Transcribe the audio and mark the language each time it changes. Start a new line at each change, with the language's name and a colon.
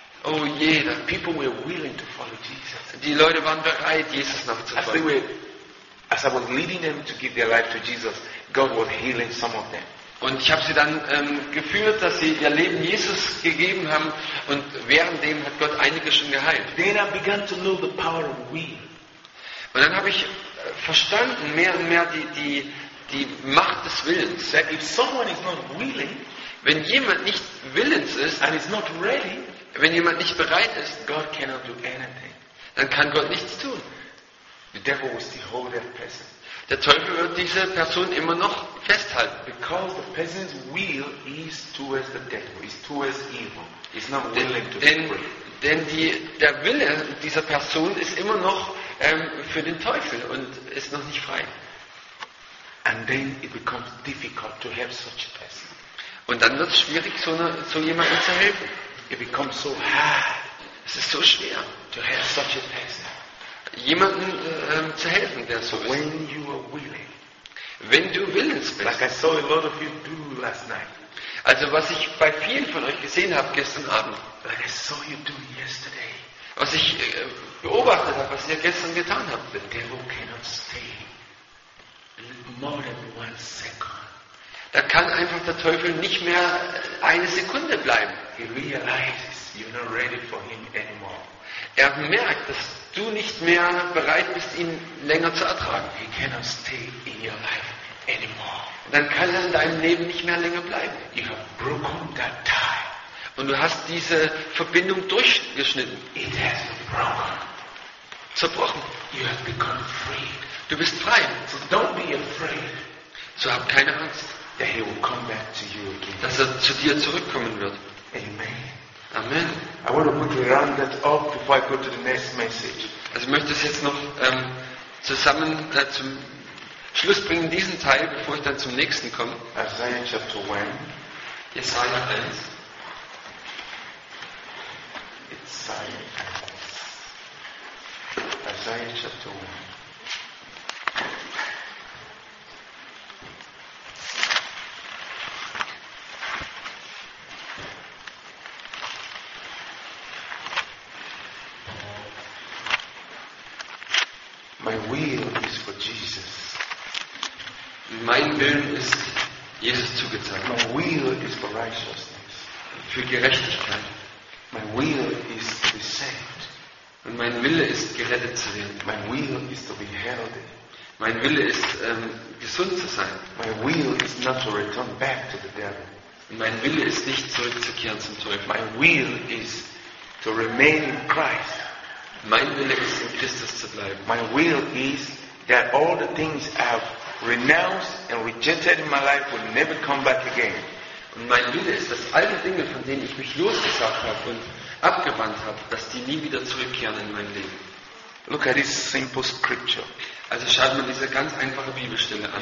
German: Oh, jeder.
English: People were willing to follow Jesus.
German: Die Leute waren bereit, Jesus nachzufolgen.
English: As I was leading them to give their life to Jesus, God was healing some of them.
German: Und ich habe sie dann geführt, dass sie ihr Leben Jesus gegeben haben. Und währenddem hat Gott einige schon geheilt.
English: Then I began to know the power of we.
German: Und dann habe ich verstanden mehr und mehr die Macht des Willens.
English: That if someone is not willing,
German: wenn jemand nicht willens ist,
English: and is not ready,
German: wenn jemand nicht bereit ist,
English: God cannot do anything.
German: Dann kann Gott nichts tun.
English: The devil will still hold that person.
German: Der Teufel wird diese Person immer noch festhalten.
English: Because the person's will is towards the devil, is towards evil. It's not willing to be.
German: Denn der Wille dieser Person ist immer noch für den Teufel und ist noch nicht frei.
English: And then it becomes difficult to help such a person.
German: Und dann wird es schwierig, so jemandem zu helfen.
English: It becomes so hard.
German: Es ist so schwer,
English: to help such a person.
German: Jemandem zu helfen, der so ist.
English: When you are willing.
German: Wenn du willens bist.
English: Like I saw a lot of you do last night.
German: Also was ich bei vielen von euch gesehen habe gestern Abend.
English: Like I saw you do yesterday.
German: Was ich beobachtet habe, was ihr gestern getan habt.
English: The devil cannot stay more than one second.
German: Da kann einfach der Teufel nicht mehr eine Sekunde bleiben.
English: He realizes you're not ready for him anymore.
German: Er merkt, dass du nicht mehr bereit bist, ihn länger zu ertragen.
English: He cannot stay in your life anymore.
German: Dann kann er in deinem Leben nicht mehr länger bleiben.
English: You have broken that tie.
German: Und du hast diese Verbindung durchgeschnitten.
English: It has been broken.
German: Zerbrochen.
English: You have become free.
German: Du bist frei.
English: So don't be afraid.
German: So hab keine Angst.
English: That he will come back to you again.
German: Dass er zu dir zurückkommen wird.
English: Amen.
German: Amen.
English: I want to quickly round that up before I go to the next message.
German: Also ich möchte es jetzt noch zusammen zum Schluss bringen, diesen Teil, bevor ich dann zum nächsten komme.
English: Isaiah chapter 1.
German: Jesaja 1.
English: Isaiah chapter 1. My will is for Jesus.
German: Mein Willen ist Jesus zugeteilt.
English: My will is for righteousness.
German: Für Gerechtigkeit.
English: My will is to be saved.
German: Und mein Wille ist gerettet zu werden.
English: My will is to be healthy.
German: Mein Wille ist gesund zu sein.
English: My will is not to return back to the devil.
German: Und mein Wille ist nicht zurückzukehren zum Teufel.
English: My will is to remain in Christ.
German: Mein Wille ist, in Christus zu bleiben.
English: My will is that all the things I've renounced and rejected in my life will never come back again.
German: Und mein Wille ist, dass all die Dinge, von denen ich mich losgesagt habe und abgewandt habe, dass die nie wieder zurückkehren in mein Leben.
English: Look at this simple scripture.
German: Also schaut mal diese ganz einfache Bibelstelle an.